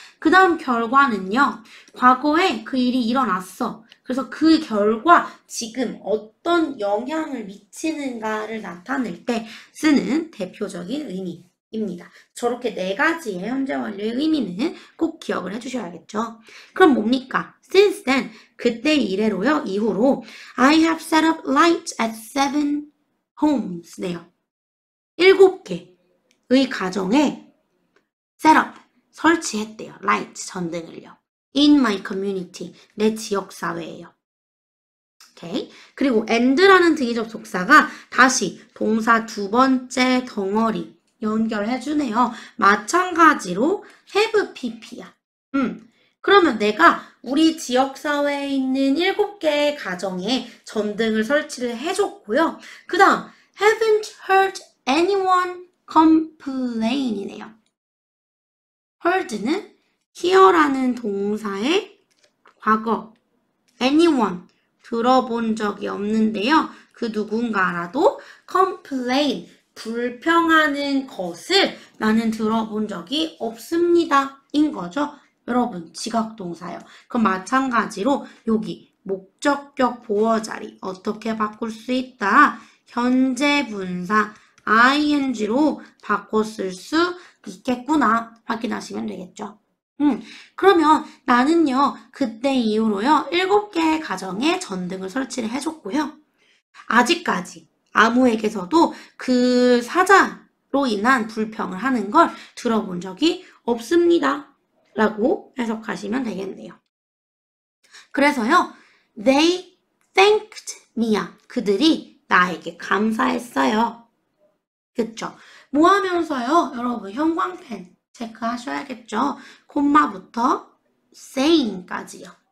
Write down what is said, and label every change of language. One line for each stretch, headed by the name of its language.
Korean: 그 다음 결과는요. 과거에 그 일이 일어났어. 그래서 그 결과 지금 어떤 영향을 미치는가를 나타낼 때 쓰는 대표적인 의미입니다. 저렇게 네 가지의 현재 완료의 의미는 꼭 기억을 해주셔야겠죠. 그럼 뭡니까?
English: Since then,
Korean: 그때 이래로요, 이후로,
English: I have set up light at seven homes.
Korean: 네요. 일곱 개의 가정에
English: set up,
Korean: 설치했대요. light, 전등을요.
English: in my community,
Korean: 내 지역사회에요. 오케이. 그리고 and라는 등이적 속사가 다시 동사 두 번째 덩어리 연결해주네요. 마찬가지로 have PP야. 그러면 내가 우리 지역사회에 있는 일곱 개의 가정에 전등을 설치를 해줬고요. 그 다음,
English: haven't heard anyone complain이네요.
Korean: heard는 hear라는 동사의 과거. anyone, 들어본 적이 없는데요. 그 누군가라도 complain, 불평하는 것을 나는 들어본 적이 없습니다. 인 거죠. 여러분, 지각동사요. 그럼 마찬가지로 여기 목적격 보호자리 어떻게 바꿀 수 있다? 현재 분사 ing로 바꿨을 수 있겠구나. 확인하시면 되겠죠. 그러면 나는요, 그때 이후로요, 일곱 개의 가정에 전등을 설치를 해줬고요. 아직까지 아무에게서도 그 사자로 인한 불평을 하는 걸 들어본 적이 없습니다. 라고 해석하시면 되겠네요. 그래서요,
English: they thanked me야.
Korean: 그들이 나에게 감사했어요. 그쵸? 뭐 하면서요, 여러분, 형광펜 체크하셔야겠죠? 콤마부터 saying까지요.